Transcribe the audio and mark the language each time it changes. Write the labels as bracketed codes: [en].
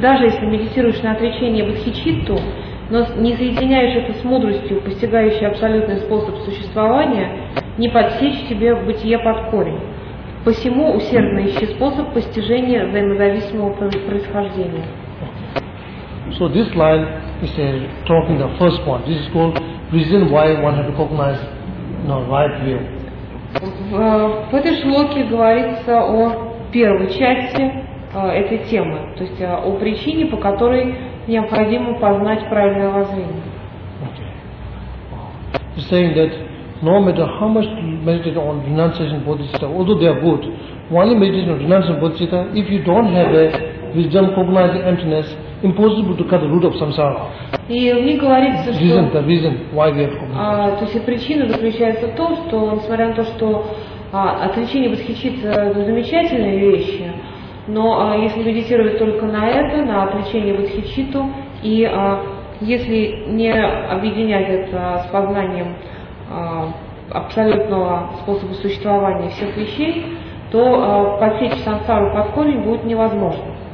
[ru] Даже если медитируешь на отречение бодхичитту, но не соединяешь это с мудростью, постигающей абсолютный способ существования, не подсечь себе бытие под корень. Посему усердно ищи способ постижения взаимозависимого происхождения. [en] So this line is talking the first one. This is called reason why one has to recognize the right view. [ru] В этой шлоке говорится о первой части этой темы, то есть о причине, по которой необходимо познать правильное воззрение. [en] Okay. He's saying that no matter how much meditate on renunciation bodhicitta, although they are good, only meditation on renunciation bodhicitta, if you don't have a wisdom cognizing emptiness, impossible to cut the root of samsara. [ru] И в ней говорится, что [en] reason, the reason why we have cognized. [ru] То есть причина заключается в том, что несмотря на то, что отречение бодхичитты это замечательные вещи. Но если медитировать только на это, на отречение бодхичитту, и если не объединять это с познанием абсолютного способа существования всех вещей, то подсечь сансару под корень будет невозможно.